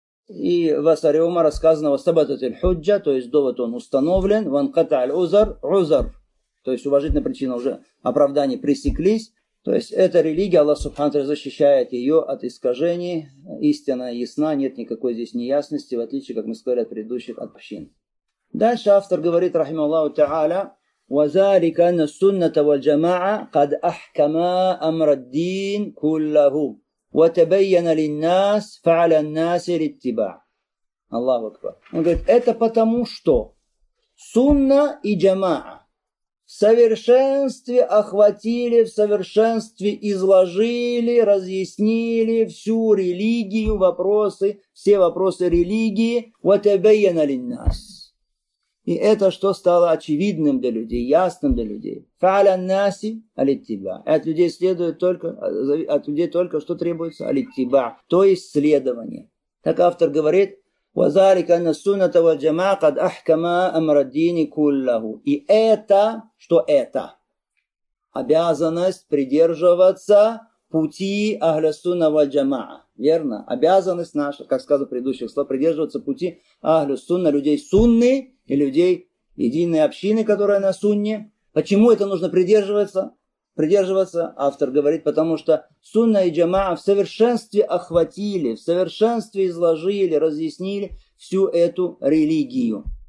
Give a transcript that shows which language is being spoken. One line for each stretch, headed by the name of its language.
Russian: И в Асаре Умара сказано
Arabic: «Сабатат аль-худжа»,
Russian: то есть довод он установлен,
Arabic: «Ванката аль-узар»,
Russian: «Узар», то есть уважительная причина, уже оправдания пресеклись, То есть эта религия, Аллах Субхану Тааля защищает ее от искажений, истина ясна, нет никакой здесь неясности, в отличие, как мы сказали, от предыдущих общин. Дальше автор говорит, рахима Аллаху Тааля,
Arabic: وَذَلِكَ أَنَّ السُنَّةَ وَالْجَمَاعَ قَدْ أَحْكَمَا أَمْرَ الدِّينِ كُلَّهُ وَتَبَيَّنَ لِلنَّاسِ فَعَلَى النَّاسِ الْإِتِّبَاعِ. Аллаху Акбар.
Russian: Он говорит, это потому что сунна и джамаа в совершенстве охватили, в совершенстве изложили, разъяснили всю религию, вопросы, все вопросы религии.
Arabic: وَتَبَيَّنَ لِلنَّاسِ.
Russian: И это что стало очевидным для людей, ясным для людей.
Arabic: Фааля наси алиттиба.
Russian: От людей следует только, от людей только что требуется алиттиба, то есть следование. Так автор говорит:
Arabic: وَذَلِكَ أَنَّ السُنَّةَ وَالْجَمَاعَةَ قَدْ أَحْكَمَا أَمْرَ الدِّينِ كُلَّهُ.
Russian: И это, что это? Обязанность придерживаться пути Ахля Сунна валь Джамаа. Верно? Обязанность наша, как сказал в предыдущих словах, придерживаться пути Ахля Сунна, людей сунны и людей единой общины, которая на сунне. Почему это нужно придерживаться? Придерживаться, автор говорит, потому что сунна и джамаа в совершенстве охватили, в совершенстве изложили, разъяснили всю эту религию.